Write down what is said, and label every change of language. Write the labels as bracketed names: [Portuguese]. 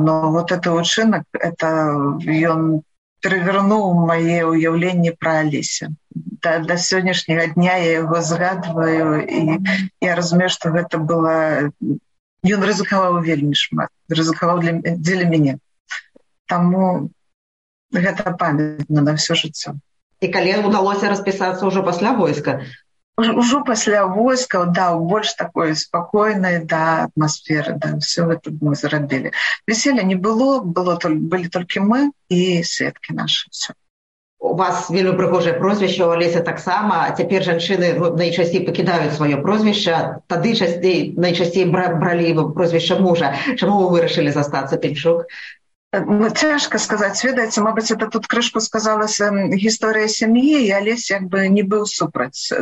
[Ukrainian] Но от цей учинок, він перевернув моє уявлення про Олеся. До сьогоднішнього дня я його згадую, і я розумію, що це було... Він ризикував [Belarusian] вельми шмат. [Ukrainian] Ризикував для мене. Тому... [Belarusian] Гэта памятна на ўсё жыццё. І калі ўдалося распісацца ўжо пасля войска? Ужо пасля войска, да, ў больш такой спакойнай, да, атмасферы, да, ўсё гэта мы зрабілі. Веселля не было, былі толькі мы і сведкі нашы, ўсё. У вас вельмі прыгожае прозвішча, у Алесі таксама. Цяпер жанчыны найчасцей пакідаюць сваё прозвішча, тады найчасцей бралі прозвішча мужа. Чаму вы вырашылі застацца Пінчук? [Ukrainian] Ну, тяжко сказати, свідається, мабуть, це тут кришку сказалася історія сім'ї, і Олесь якби не був супраць.